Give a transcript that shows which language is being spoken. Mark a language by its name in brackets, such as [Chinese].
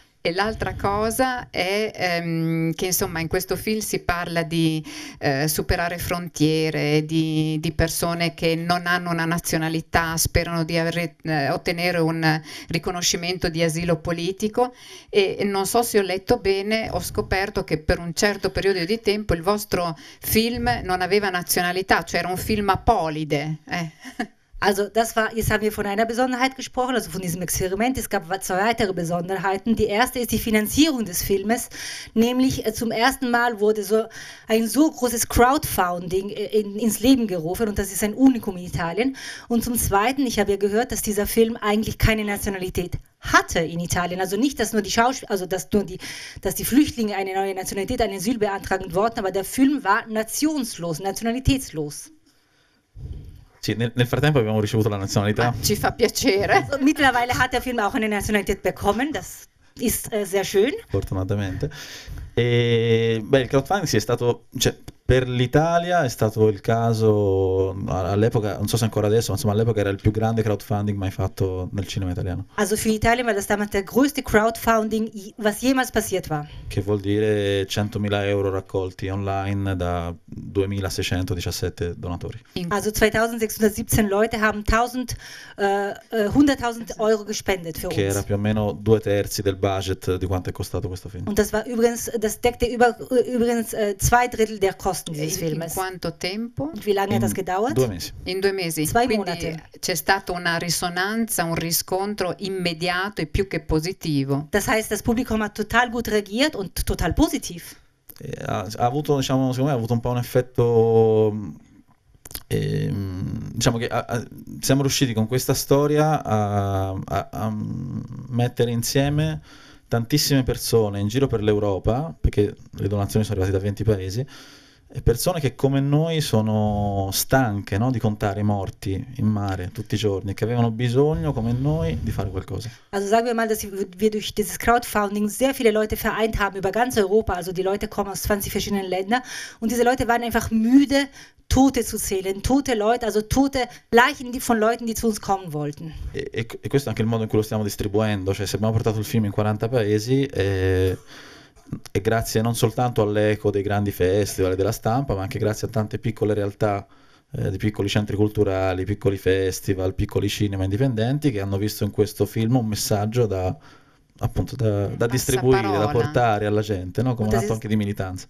[Italian] E l'altra cosa è che insomma in questo film si parla di superare frontiere, di persone che non hanno una nazionalità, sperano di ottenere un riconoscimento di asilo politico, e non so se ho letto bene, ho scoperto che per un certo periodo di tempo il vostro film non aveva nazionalità, cioè era un film apolide. [German] Also das war, jetzt haben wir von einer Besonderheit gesprochen, also von diesem Experiment. Es gab zwei weitere Besonderheiten. Die erste ist die Finanzierung des Filmes, nämlich zum ersten Mal wurde so ein so großes Crowdfunding ins Leben gerufen, und das ist ein Unikum in Italien. Und zum Zweiten, ich habe ja gehört, dass dieser Film eigentlich keine Nationalität hatte in Italien, also nicht, dass nur die Schauspieler, also dass die Flüchtlinge eine neue Nationalität, ein Asyl beantragen wollten, aber der Film war nationslos, nationalitätslos. [Italian] Sì, nel frattempo abbiamo ricevuto la nazionalità. Ma ci fa piacere. [German] Mittlerweile hat der Film auch eine Nationalität bekommen. Das ist sehr schön. [Italian] Fortunatamente. E, beh, il crowdfunding sì, è stato, cioè, per l'Italia è stato il caso all'epoca, non so se ancora adesso, ma insomma all'epoca era il più grande crowdfunding mai fatto nel cinema italiano. [German] Also für Italien war das damals der größte Crowdfunding, was jemals passiert war. [Italian] Che vuol dire 100.000 euro raccolti online da 2.617 donatori. [German] Also 2.617 Leute haben 100.000 euro gespendet für uns. [Italian] Che era più o meno due terzi del budget di quanto è costato questo film. [German] Und das war übrigens, das deckte übrigens zwei Drittel der Kosten dieses Filmes. [Italian] In quanto tempo? [German] Und wie lange hat das gedauert? [Italian] Due mesi. In due mesi. [German] Zwei Monate. [Italian] C'è stata una risonanza, un riscontro immediato e più che positivo. [German] Das heißt, das Publikum hat total gut reagiert und total positiv. [Italian] Ha avuto, diciamo, secondo me ha avuto un po' un effetto, diciamo che siamo riusciti con questa storia a mettere insieme tantissime persone in giro per l'Europa, perché le donazioni sono arrivate da 20 paesi, e persone che come noi sono stanche, no, di contare i morti in mare tutti i giorni, che avevano bisogno come noi di fare qualcosa. [German] Also sagen wir mal, dass wir durch dieses Crowdfunding sehr viele Leute vereint haben über ganz Europa, also die Leute kommen aus 20 verschiedenen Ländern, und diese Leute waren einfach müde, Tote zu zählen, tote Leute, also tote Leichen von Leuten, die zu uns kommen wollten. [Italian] E questo è anche il modo in cui lo stiamo distribuendo, cioè se abbiamo portato il film in 40 paesi, e grazie non soltanto all'eco dei grandi festival e della stampa, ma anche grazie a tante piccole realtà, di piccoli centri culturali, piccoli festival, piccoli cinema indipendenti, che hanno visto in questo film un messaggio da, appunto, da distribuire, da portare alla gente, no? Come un atto anche di militanza.